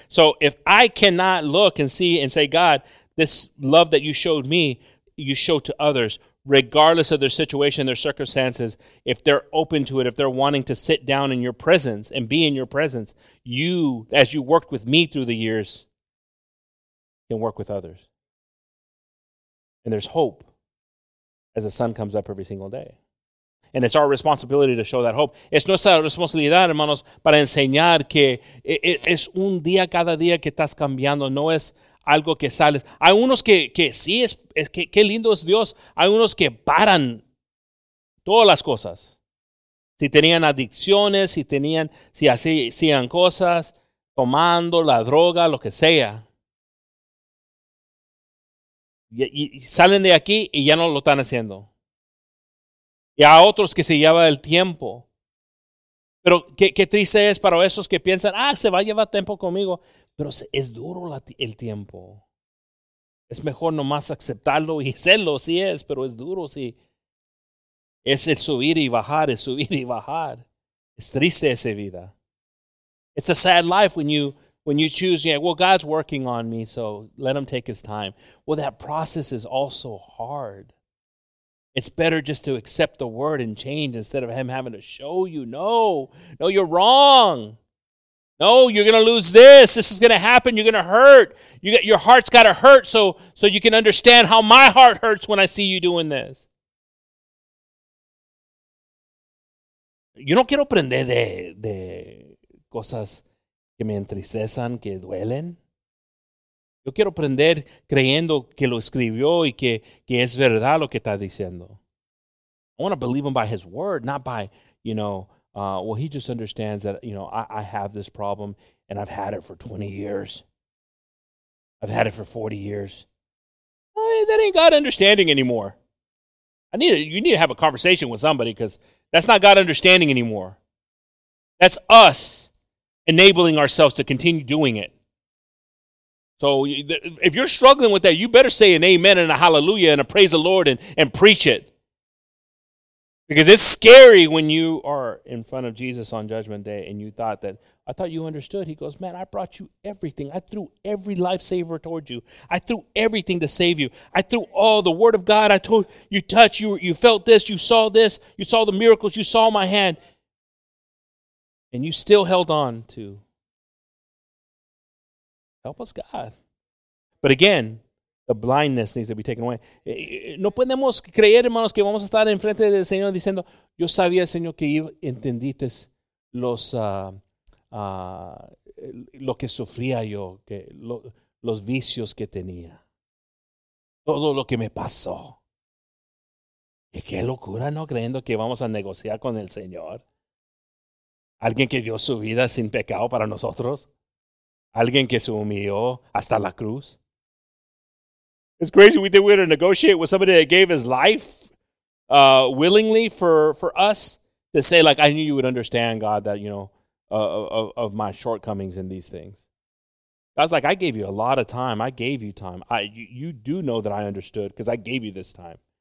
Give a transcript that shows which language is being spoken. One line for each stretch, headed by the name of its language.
English: So if I cannot look and see and say, God, this love that you showed me, you show to others, regardless of their situation, their circumstances, if they're open to it, if they're wanting to sit down in your presence and be in your presence, you, as you worked with me through the years, can work with others. And there's hope as the sun comes up every single day. And it's our responsibility to show that hope.
Spanish: Es nuestra responsabilidad, hermanos, para enseñar que es un día cada día que estás cambiando. No es algo que sales. Hay unos que sí, es que qué lindo es Dios. Hay unos que paran todas las cosas. Si tenían adicciones, si tenían, si hacían cosas, tomando la droga, lo que sea. Y salen de aquí y ya no lo están haciendo. Y a otros que se lleva el tiempo. Pero qué triste es para esos que piensan, ah, se va a llevar tiempo conmigo. Pero es duro el tiempo. Es mejor nomás aceptarlo y hacerlo, sí es, pero es duro, sí. Es el subir y bajar, es subir y bajar. Es triste esa vida.
English: It's a sad life when you choose, yeah, well, God's working on me, so let him take his time. Well, that process is also hard. It's better just to accept the word and change instead of him having to show you, no, you're wrong. No, you're going to lose this. This is going to happen. You're going to hurt. Your heart's got to hurt so you can understand how my heart hurts when I see you doing this.
Spanish: Yo no quiero aprender de cosas que me entristezan, que duelen. Yo quiero aprender creyendo que lo escribió y que es verdad lo que está diciendo.
English: I want to believe him by his word, not by, you know, he just understands that, you know, I have this problem and I've had it for 20 years. I've had it for 40 years. That ain't God understanding anymore. You need to have a conversation with somebody because that's not God understanding anymore. That's us enabling ourselves to continue doing it. So if you're struggling with that, you better say an amen and a hallelujah and a praise the Lord and preach it. Because it's scary when you are in front of Jesus on Judgment Day and you thought that, I thought you understood. He goes, man, I brought you everything. I threw every lifesaver toward you. I threw everything to save you. I threw all the word of God. I told you, touch, you felt this, you saw this, you saw the miracles, you saw my hand. And you still held on to. Help us, God. But again, the blindness needs to be taken away.
Spanish: No podemos creer, hermanos, que vamos a estar enfrente del Señor diciendo, yo sabía, Señor, que entendiste lo que sufría yo, los vicios que tenía, todo lo que me pasó. Y qué locura, ¿no? Creyendo que vamos a negociar con el Señor. Alguien que dio su vida sin pecado para nosotros. Alguien que se humilló hasta la cruz.
English: It's crazy we think we're going to negotiate with somebody that gave his life willingly for us to say, like, I knew you would understand, God, that, you know, of my shortcomings in these things. God's like, I gave you a lot of time. I gave you time. You do know that I understood because I gave you this time.